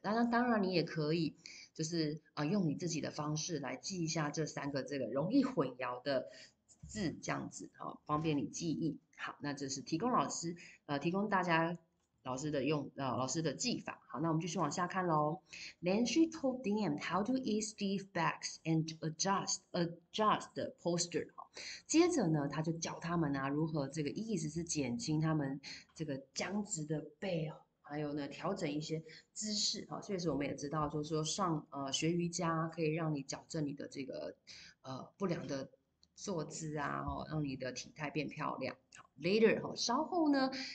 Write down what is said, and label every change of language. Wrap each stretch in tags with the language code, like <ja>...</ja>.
<zh>当然，你也可以就是用你自己的方式来记一下这三个这个容易混淆的字，这样子哦，方便你记忆。好，那这是提供老师提供大家老师的用老师的记法。好，那我们继续往下看喽。</zh> <en>Then she told them how to ease Steve's backs and adjust the posture。</en> <zh>接着呢，他就教他们啊，如何这个意思是减轻他们这个僵直的背哦，还有呢，调整一些姿势啊。确实，我们也知道，就是说学瑜伽可以让你矫正你的这个不良的坐姿啊，哦，让你的体态变漂亮。好，later 哈，稍后呢</zh>